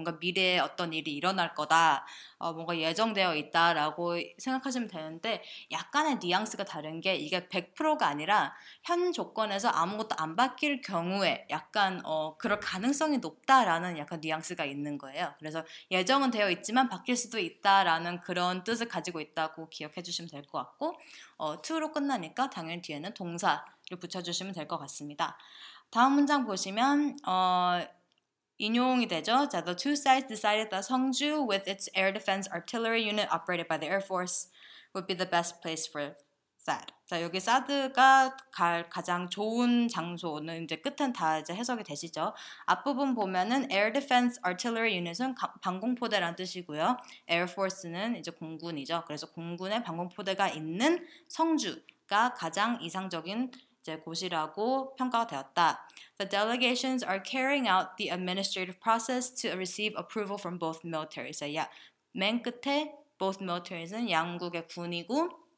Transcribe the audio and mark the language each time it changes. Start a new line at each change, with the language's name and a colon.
Korean: 뭔가 미래에 어떤 일이 일어날 거다, 뭔가 예정되어 있다라고 생각하시면 되는데 약간의 뉘앙스가 다른 게 이게 100%가 아니라 현 조건에서 아무것도 안 바뀔 경우에 약간 그럴 가능성이 높다라는 약간 뉘앙스가 있는 거예요. 그래서 예정은 되어 있지만 바뀔 수도 있다라는 그런 뜻을 가지고 있다고 기억해 주시면 될 것 같고 to로 끝나니까 당연히 뒤에는 동사를 붙여주시면 될 것 같습니다. 다음 문장 보시면 인용이 되죠. 자,
English: the two sides decided that 성주 with its air defense artillery unit operated by the Air Force would be the best place for that.
Korean: 자, 여기 사드가 갈 가장 좋은 장소는 이제 끝은 다 이제 해석이 되시죠. 앞부분 보면은 air defense artillery unit은 방공포대라는 뜻이고요. Air Force는 이제 공군이죠. 그래서 공군의 방공포대가 있는 성주가 가장 이상적인 곳이라고 평가가 되었다.
English: The delegations are carrying out the administrative process to receive approval from both militaries.
Korean: 맨 끝에 both militaries는 양국의 군이고